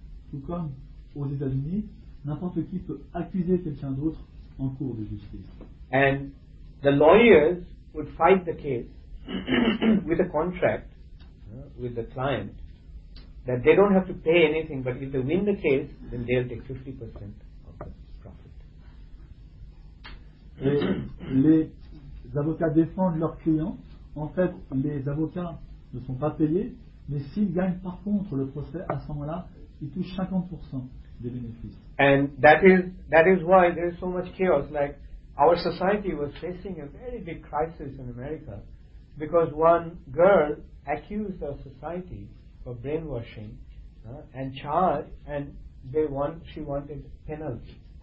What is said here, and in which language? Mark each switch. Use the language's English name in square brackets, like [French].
[French] Tout comme aux États-Unis, n'importe qui peut accuser quelqu'un d'autre en cour de justice. [English] And the lawyers would fight the case with a contract with the client that they don't have to pay anything, but if they win the case, then they'll take 50% of the profit. [French] Et les avocats défendent leurs clients. En fait, les avocats ne sont pas payés, mais s'ils gagnent par contre le procès, à ce moment-là, ils touchent 50% des bénéfices. [English] And that is why there is so much chaos. Like, our society was facing a very big crisis in America because one girl accused our society for brainwashing and charged, and she wanted penalty.